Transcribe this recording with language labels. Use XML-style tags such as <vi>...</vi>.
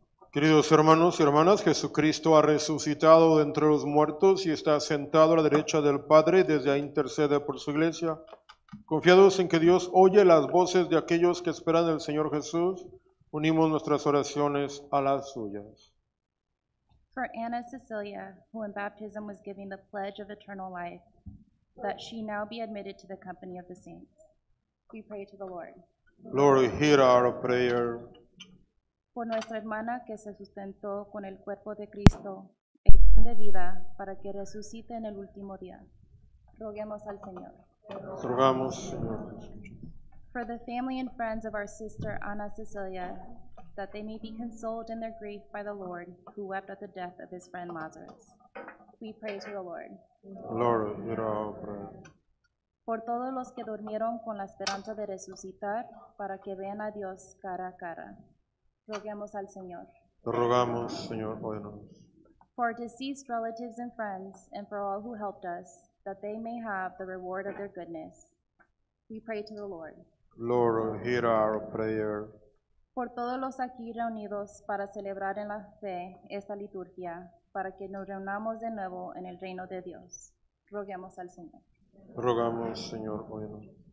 <es>Queridos hermanos y hermanas, Jesucristo ha resucitado de entre los muertos y está sentado a la derecha del Padre, desde ahí intercede por su iglesia. Confiados en que Dios oye las voces de aquellos que esperan al Señor Jesús, unimos nuestras oraciones a las suyas.</es> <en>For Anna Cecilia, who in baptism was giving the pledge of eternal life, that she now be admitted to the company of the saints. We pray to the Lord. Lord, hear our prayer.</en> <es>Por nuestra hermana que se sustentó con el cuerpo de Cristo, el pan de vida, para que resucite en el último día. Roguemos al Señor. Rogamos.</es> <en>For the family and friends of our sister Anna Cecilia, that they may be consoled in their grief by the Lord, who wept at the death of his friend Lazarus. We pray to the Lord. Lord, hear our prayer.</en> <es>Por todos los que durmieron con la esperanza de resucitar, para que vean a Dios cara a cara. Roguemos al Señor. Rogamos, Señor, óyenos.</es> <en>For deceased relatives and friends, and for all who helped us, that they may have the reward of their goodness. We pray to the Lord. Lord, hear our prayer.</en> <es>Por todos los aquí reunidos para celebrar en la fe esta liturgia, para que nos reunamos de nuevo en el reino de Dios. Roguemos al Señor. Rogamos, Señor, óyenos.</es>